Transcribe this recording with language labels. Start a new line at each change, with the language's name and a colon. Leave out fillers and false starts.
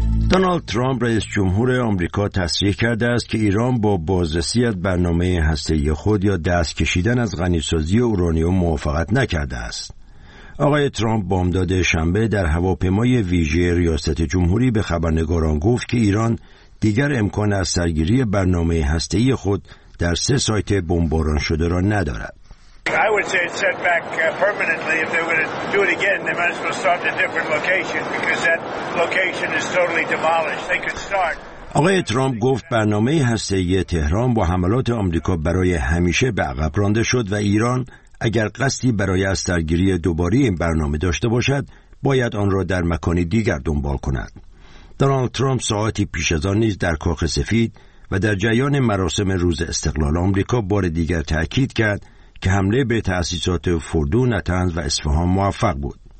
Persian: دونالد ترامپ رئیس جمهور آمریکا تصریح کرده است که ایران با بازرسی از برنامه هسته‌ای خود یا دست کشیدن از غنی‌سازی اورانیوم موافقت نکرده است. آقای ترامپ بامداد شنبه در هواپیمای ویژه ریاست جمهوری به خبرنگاران گفت که ایران دیگر امکان از سرگیری برنامه هسته‌ای خود در 3 سایت بمباران شده را ندارد.
English: I would say it's set back permanently. If they're going to do it again, they might as well start at a different location because that location is totally demolished. They could start.
Persian: آقای ترامپ گفت برنامه هسته‌ای تهران با حملات آمریکا برای همیشه به عقب رانده شد و ایران اگر قصدی برای از سرگیری دوباره این برنامه داشته باشد، باید آن را در مکانی دیگر دنبال کند. دونالد ترامپ ساعتی پیش از آن نیز در کاخ سفید و در جریان مراسم روز استقلال آمریکا بار دیگر تأکید کرد که حمله به تأسیسات فردو، نتنز و اصفهان موفق بود.